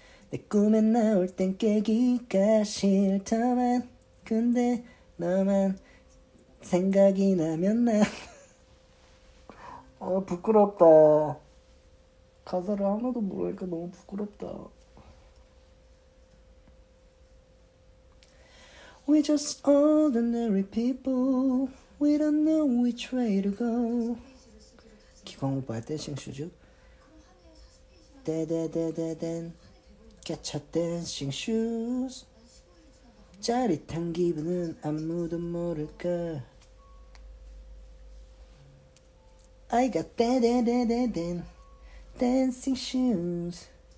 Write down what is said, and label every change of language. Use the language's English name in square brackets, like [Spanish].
[Korean] 내 꿈에 나올 땐 깨기가 싫다만. 근데 너만 생각이 나면 나. 아 부끄럽다. 가사를 하나도 모르니까 너무 부끄럽다. [English] We just ordinary people. We don't know which way to go. [Korean] 기광 오빠의 댄싱 슈즈. 데데데데댄 개차 댄싱 슈즈. 짜릿한 기분은 아무도 모를까. [English] I got da-da-da-da-dan dancing shoes.